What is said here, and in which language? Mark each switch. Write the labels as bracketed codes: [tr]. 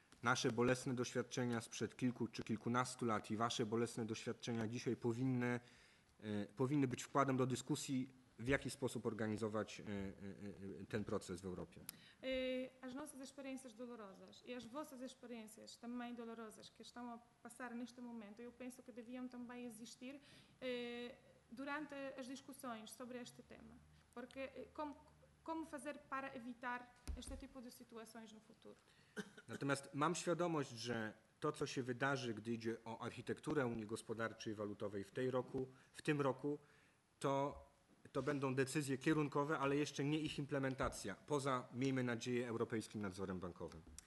[pl] Nasze bolesne doświadczenia sprzed kilku czy kilkunastu lat i wasze bolesne doświadczenia dzisiaj powinny, powinny być wkładem do dyskusji, w jaki sposób organizować ten proces w Europie. [pt] As nossas experiências dolorosas e as vossas experiências também dolorosas que estão a passar neste momento, eu penso que deviam também existir durante as discussões sobre este tema. Porque como fazer para evitar este tipo de situações no futuro? [pl] Natomiast mam świadomość, że to, co się wydarzy, gdy idzie o architekturę Unii Gospodarczej i Walutowej w tej roku, w tym roku, to to będą decyzje kierunkowe, ale jeszcze nie ich implementacja, poza, miejmy nadzieję, Europejskim Nadzorem Bankowym.